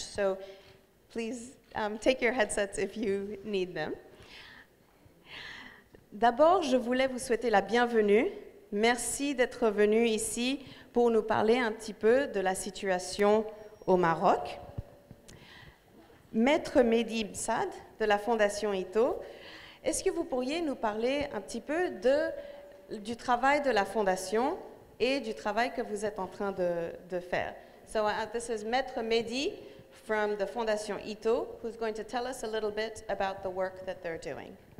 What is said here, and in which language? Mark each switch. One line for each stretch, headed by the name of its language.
English: So please take your headsets if you need them.
French: D'abord, je voulais vous souhaiter la bienvenue. Merci d'être venu ici pour nous parler un petit peu de la situation au Maroc. Maître Mehdi Msad de la Fondation ITO, est-ce que vous pourriez nous parler un petit peu du travail de la Fondation et du travail que vous êtes en train de faire?
English: So this is Maître Mehdi from the Fondation ITO, who's going to tell us a little bit about the work that they're doing.